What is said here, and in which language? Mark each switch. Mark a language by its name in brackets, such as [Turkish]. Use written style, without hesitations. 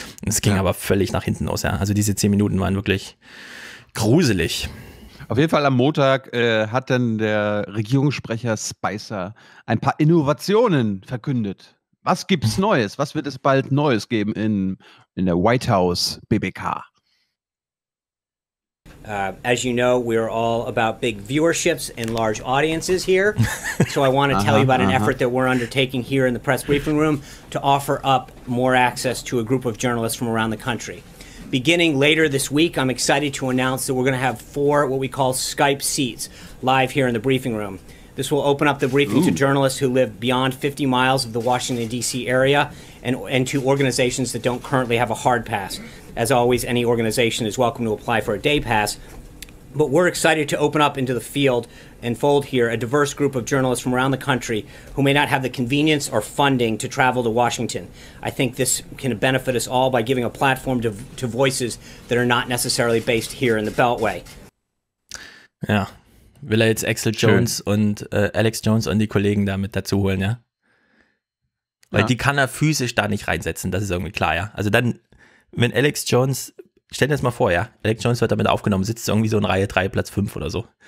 [German] Es ging aber völlig nach hinten aus, ja. Also diese 10 Minuten waren wirklich gruselig. Auf jeden Fall am Montag hat dann der Regierungssprecher Spicer ein paar Innovationen verkündet. Was gibt's Neues? Was wird es bald Neues geben in der White House BBK? [English] As you know, we're all about big viewerships and large audiences here. So I want to tell you about an effort that we're undertaking here in the press briefing room to offer up more access to a group of journalists from around the country. Beginning later this week, I'm excited to announce that we're going to have four what we call Skype seats live here in the briefing room. This will open up the briefing to journalists who live beyond 50 miles of the Washington, D.C. area and to organizations that don't currently have a hard pass. As always, any organization is welcome to apply for a day pass. But we're excited to open up into the field and fold here a diverse group of journalists from around the country who may not have the convenience or funding to travel to Washington. I think this can benefit us all by giving a platform to voices that are not necessarily based here in the Beltway. [German] Ja, will er jetzt Axel Jones und Alex Jones und die Kollegen da mit dazu holen, ja? Weil die kann er physisch da nicht reinsetzen, das ist irgendwie klar, ja? Also dann, wenn Alex Jones... Stell dir das mal vor, ja. Alex Jones wird damit aufgenommen, sitzt irgendwie so in Reihe 3, Platz 5 oder so.